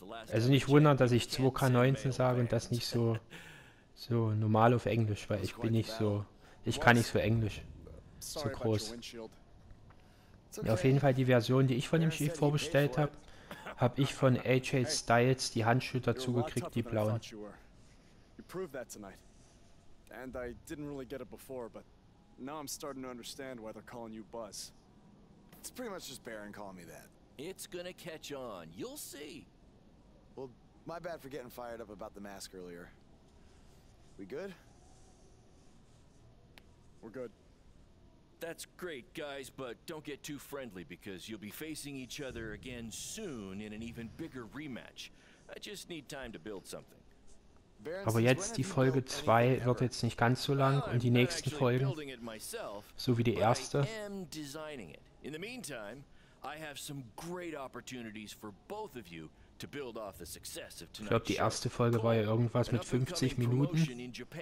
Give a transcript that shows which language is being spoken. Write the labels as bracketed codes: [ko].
[de] Also nicht wundern, dass ich 2K19 sage und das nicht so normal auf Englisch, weil ich bin nicht so, ich kann nicht so Englisch, so groß. Ja, auf jeden Fall die Version, die ich von dem Schiff vorbestellt habe, habe ich von AJ Styles die Handschuhe dazu gekriegt, die blauen. [en] Prove that tonight. And I didn't really get it before, but now I'm starting to understand why they're calling you Buzz. It's pretty much just Baron calling me that. It's gonna catch on. You'll see. Well, my bad for getting fired up about the mask earlier. We good? We're good. That's great, guys, but don't get too friendly because you'll be facing each other again soon in an even bigger rematch. I just need time to build something. [de] Aber jetzt, die Folge 2 wird jetzt nicht ganz so lang und die nächsten Folgen, so wie die erste. [en] In the meantime, I have some great opportunities for both of you [de] Ich glaube, die erste Folge war ja irgendwas mit 50 Minuten.